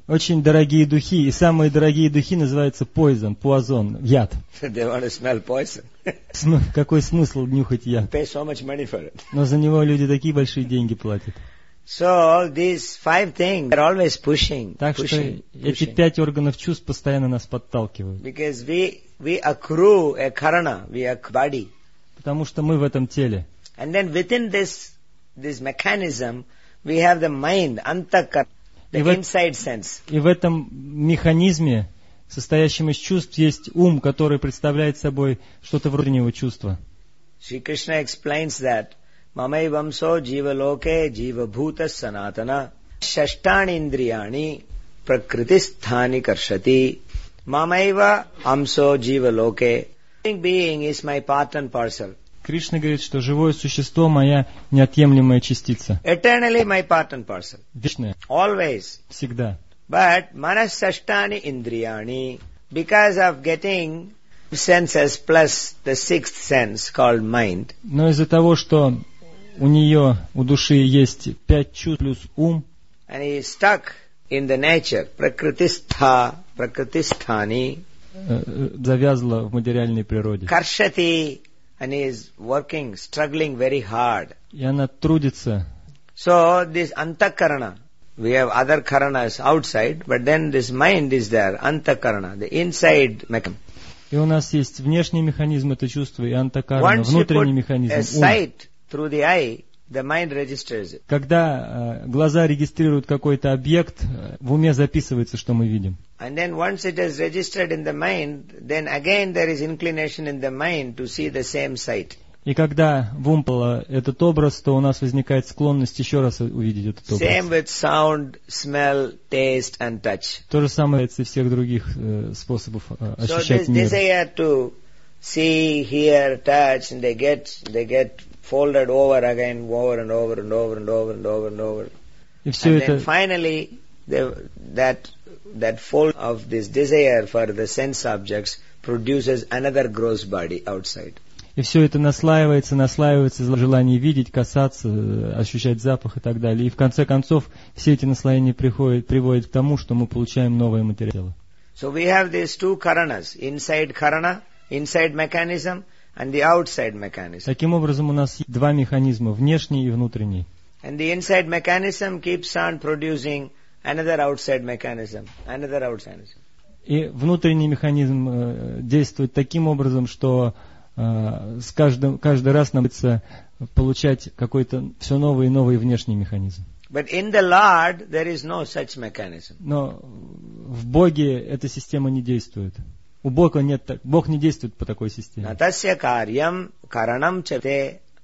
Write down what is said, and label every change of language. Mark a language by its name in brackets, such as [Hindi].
[Russian] Очень дорогие духи, и самые дорогие духи называются poison, пуазон, яд. [English] They want to smell poison. [Russian] Какой смысл нюхать яд? [English] Pay so much money for it. [Russian] Но за него люди такие большие деньги платят. [English] So all these five things are always pushing. [Russian] Так что эти пять органов чувств постоянно нас подталкивают. [English] Because we accrue a karana, we accrue body. [Russian] Потому что мы в этом теле. [English] And then within this mechanism, we have the mind, antakarana, the inside sense. [Russian] И в этом механизме, состоящем из чувств, есть ум, который представляет собой что-то вроде внутреннего чувства. [English] Shri Krishna explains that. [Sanskrit] Mamai vamso jiva loke jiva bhuta sanatana shashtani indriyani prakritisthani karshati mamai vamso jiva loke. [English] Living being is my part and parcel. [Russian] Кришна говорит, что живое существо моя неотъемлемая частица. [English] Eternally my part and parcel. [Russian] Вечное. [English] Always. [Russian] Всегда. [English] But [Sanskrit] manas shashtani indriyani, [English] because of getting senses plus the sixth sense called mind. [Russian] Но из-за того, что у нее, у души есть пять чувств плюс ум. [English] And he is stuck in the nature, prakritisthani. [Russian] Завязла в материальной природе. [English] Karshati, and he is working, struggling very hard. [Russian] И она трудится. [English] So this antakarana, we have other karanas outside, but then this mind is there, antakarana, the inside mechanism. [Russian] И у нас есть внешний механизм это чувство и антакарана, [English] once [Russian] внутренний механизм ум. [English] Through the eye, the mind registers it. [Russian] Когда глаза регистрируют какой-то объект, в уме записывается, что мы видим. [English] And then once it is registered in the mind, then again there is inclination in the mind to see the same sight. [Russian] И когда в ум пало этот образ, то у нас возникает склонность еще раз увидеть этот образ. [English] Same with sound, smell, taste and touch. [Russian] То же самое и всех других способов ощущать мир. [English] So this desire to see, hear, touch, and they get folded over again, over and over and over and over and over and over. [Russian] И все [English] and [Russian] это. [English] And then finally, that fold of this desire for the sense objects produces another gross body outside. [Russian] И все это наслаивается желание видеть, касаться, ощущать запах и так далее. И в конце концов все эти наслоения приводят к тому, что мы получаем новое материало. [English] So we have these two karanas, inside karana, inside mechanism. And the outside mechanism. [Russian] Таким образом, у нас два механизма, внешний и внутренний. [English] And the inside mechanism keeps on producing another outside mechanism, another outside mechanism. [Russian] И внутренний механизм действует таким образом, что с каждый раз нам придется получать какой-то все новый и новый внешний механизм. [English] But in the Lord there is no such mechanism. [Russian] Но в Боге эта система не действует. У Бога нет, Бог не действует по такой системе. [Sanskrit] Натасья карьям каранам чате.